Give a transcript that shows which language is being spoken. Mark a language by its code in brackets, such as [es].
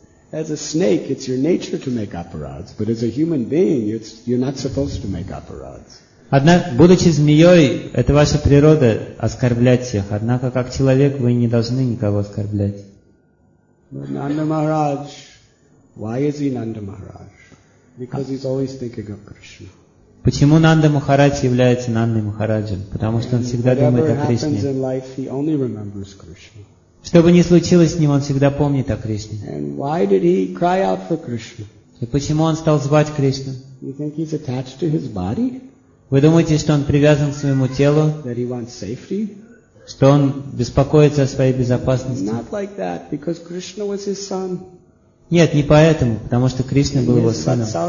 [en] As a snake, it's your nature to make aparads, but as a human being, you're not supposed to make aparads. [ru] Однако, будучи змеей, это ваша природа оскорблять всех. Однако, как человек, вы не должны никого оскорблять. [en] Нанда Махарадж, why is he Нанда Махарадж? Because he's always thinking of Krishna. [ru] Почему Нанда Махарадж является Нандой Махараджем? Потому что он всегда думает о Кришне. [en] In life, he only remembers Krishna. [ru] Что бы ни случилось с ним, он всегда помнит о Кришне. [en] And why did he cry out for Krishna? [ru] И почему он стал звать Кришну? [en] You think he's attached to his body? [ru] Вы думаете, что он привязан к своему телу? [en] That he wants safety? [ru] Что он беспокоится о своей безопасности? [en] Not like that, because Krishna was his son. [ru] Нет, не поэтому, потому что Кришна был его сыном.